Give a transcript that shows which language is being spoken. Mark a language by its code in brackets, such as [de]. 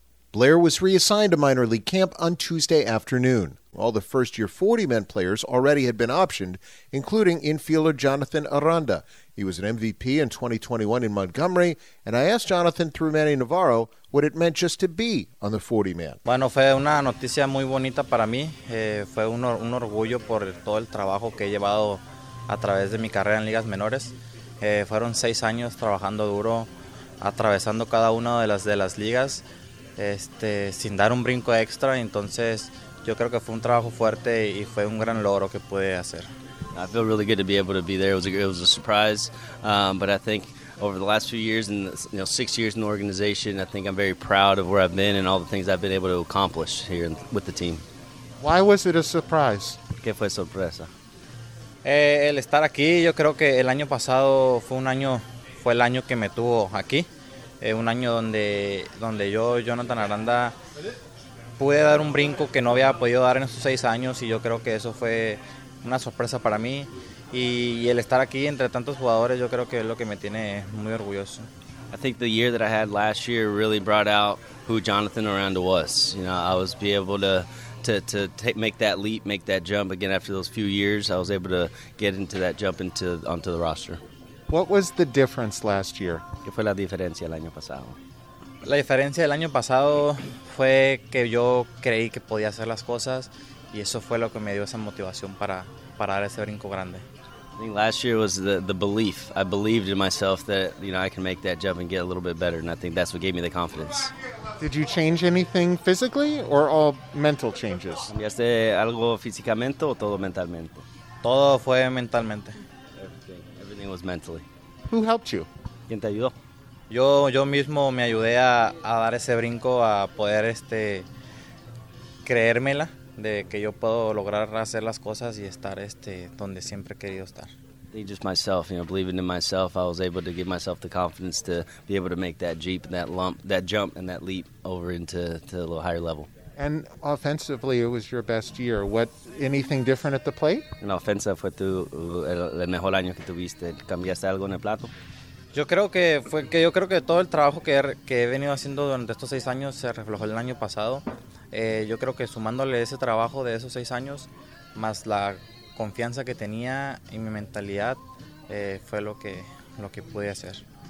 [en] Blair was reassigned to minor league camp on Tuesday afternoon. All the first-year 40-man players already had been optioned, including infielder Jonathan Aranda. He was an MVP in 2021 in Montgomery, and I asked Jonathan through Manny Navarro what it meant just to be on the 40-man. [es] Bueno, fue una noticia muy bonita para mí. Fue un orgullo por todo el trabajo que he llevado a través de mi carrera en ligas menores. Fueron 6 años trabajando duro, atravesando cada una de las ligas, sin dar un brinco extra. Entonces, yo creo que fue un trabajo fuerte y fue un gran logro que pude hacer. [en] I feel really good to be able to be there. It was a surprise, but I think over the last few years and, you know, 6 years in the organization, I think I'm very proud of where I've been and all the things I've been able to accomplish here with the team. Why was it a surprise? [es] ¿Qué fue sorpresa? El estar aquí, yo creo que el año pasado fue el año que me tuvo aquí. Un año donde yo, Jonathan Aranda, pude dar un brinco que no había podido dar en esos 6 años y yo creo que eso fue una sorpresa para mí y el estar aquí entre tantos jugadores yo creo que es lo que me tiene muy orgulloso. [en] I think the year that I had last year really brought out who Jonathan Aranda was. You know, I was able to make that leap, make that jump again after those few years. I was able to get into that jump onto the roster. What was the difference last year? [es] ¿Qué fue la diferencia el año pasado? La diferencia del año pasado fue que yo creí que podía hacer las cosas y eso fue lo que me dio esa motivación para dar ese brinco grande. [en] I think last year was the belief. I believed in myself that, you know, I can make that jump and get a little bit better, and I think that's what gave me the confidence. Did you change anything physically or all mental changes? [es] ¿Cambiaste algo físicamente o todo mentalmente? Todo fue mentalmente. [en] Everything was mentally. Who helped you? [es] ¿Quién te ayudó? Yo mismo me ayudé a dar ese brinco, a poder creérmela de que yo puedo lograr hacer las cosas y estar donde siempre he querido estar. [en] Just myself, you know, believing in myself, I was able to give myself the confidence to be able to make that jeep, that lump, that jump and that leap over into a little higher level. And offensively, it was your best year. What, anything different at the plate? [es] La ofensa fue tu el mejor año que tuviste. ¿Cambiaste algo en el plato? Yo creo que todo el trabajo que he venido haciendo durante estos 6 años se reflejó el año pasado. Yo creo que sumándole ese trabajo de esos 6 años, más la confianza que tenía y mi mentalidad, fue lo que pude hacer.